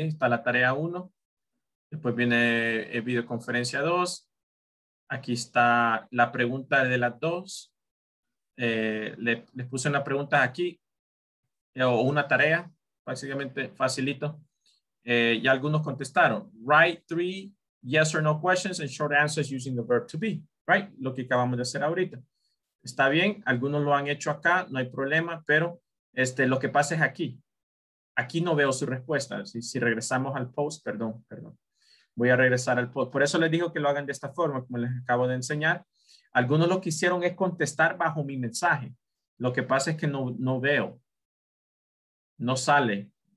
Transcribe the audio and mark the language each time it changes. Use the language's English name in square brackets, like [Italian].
[Spanish] Está la tarea 1. Después viene videoconferencia 2. Aquí está la pregunta de las 2. Les puse una pregunta aquí o una tarea, básicamente facilito, y algunos contestaron. [English] Write 3 yes or no questions and short answers using the verb to be, right? [Spanish] Lo que acabamos de hacer ahorita. Está bien, algunos lo han hecho acá, no hay problema, pero lo que pasa es aquí. Aquí no veo su respuesta. Si regresamos al post, perdón. Voy a regresar al post. Por eso les digo que lo hagan de esta forma, como les acabo de enseñar. Algunos lo que hicieron es contestar bajo mi mensaje. Lo que pasa es que no veo. No sale.